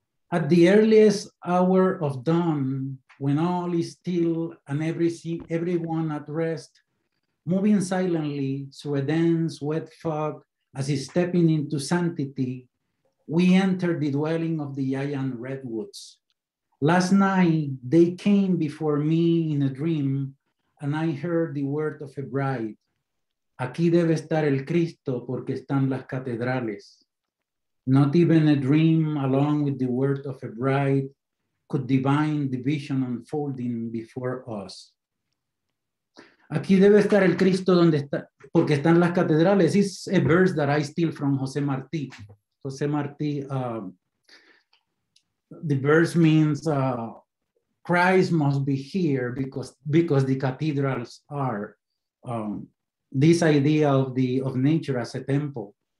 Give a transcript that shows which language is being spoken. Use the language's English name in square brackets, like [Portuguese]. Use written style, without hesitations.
[English] At the earliest hour of dawn, when all is still and everyone at rest, moving silently through a dense wet fog as he's stepping into sanctity, we enter the dwelling of the giant redwoods. Last night, they came before me in a dream, and I heard the word of a bride. [Spanish] Aquí debe estar el Cristo porque están las catedrales. [English] Not even a dream along with the word of a bride could divine the vision unfolding before us. [Spanish] Aquí debe estar el Cristo donde está, porque están las catedrales. [English] It's a verse that I steal from José Martí. José Martí, the verse means Christ must be here because the cathedrals are this idea of the of nature as a temple.